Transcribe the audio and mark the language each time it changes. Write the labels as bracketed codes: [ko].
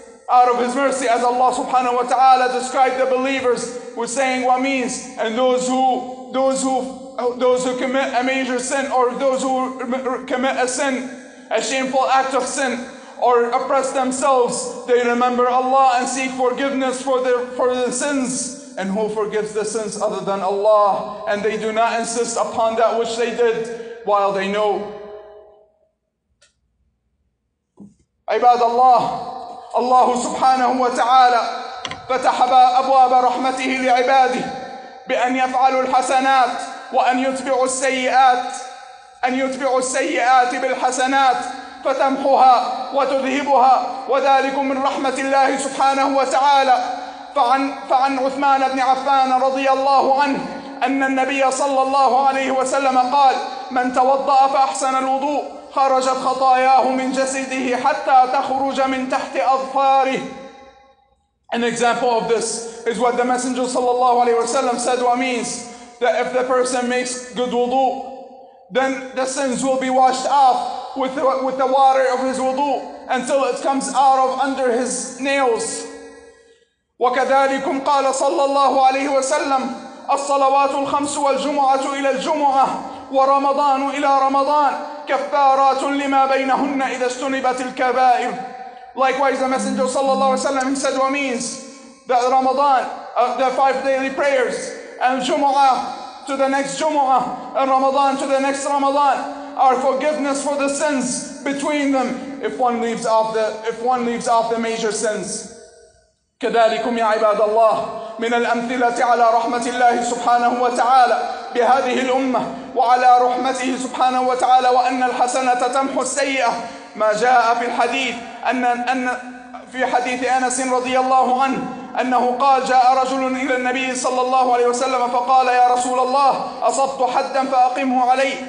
[en] Out of His mercy, as Allah subhanahu wa ta'ala described the believers with saying what means, and those who commit a major sin, or those who commit a sin, a shameful act of sin, or oppress themselves, they remember Allah and seek forgiveness for their sins. And who forgives the sins other than Allah? And they do not insist upon that which they did, while they know. [ar] عباد الله, الله سبحانه وتعالى فتح أبواب رحمته لعباده بأن يفعلوا الحسنات وأن يتبعوا السيئات, أن يتبعوا السيئات بالحسنات فتمحوها وتذهبها, وذلك من رحمة الله سبحانه وتعالى. فعن عثمان بن عفان رضي الله عنه أن النبي صلى الله عليه وسلم قال: من توضأ فأحسن الوضوء خرجت خطاياه من جسده حتى تخرج من تحت أظفاره. [en] An example of this is what the Messenger sallallahu alaihi wasallam said, what means that if the person makes good wudu, then the sins will be washed off with the water of his wudu until it comes out of under his nails. [ar] وكذلكم قال صلى الله عليه وسلم: الصلوات الخمس والجمعة إلى الجمعة ورمضان إلى رمضان كفارات لما بينهن إذا اجتنبت الكبائر. [en] Likewise, the Messenger sallallahu alaihi wasallam, he said, what means that Ramadan, the five daily prayers, and Jumu'ah to the next Jumu'ah, and Ramadan to the next Ramadan, are forgiveness for the sins between them if one leaves off the major sins. [ar] كذلكم يا عباد الله من الأمثلة على رحمة الله سبحانه وتعالى بهذه الأمة وعلى رحمته سبحانه وتعالى وأن الحسنة تمحو السيئة ما جاء في الحديث أن في حديث أنس رضي الله عنه أنه قال: جاء رجل إلى النبي صلى الله عليه وسلم فقال: يا رسول الله, أصبت حدا فأقمه علي.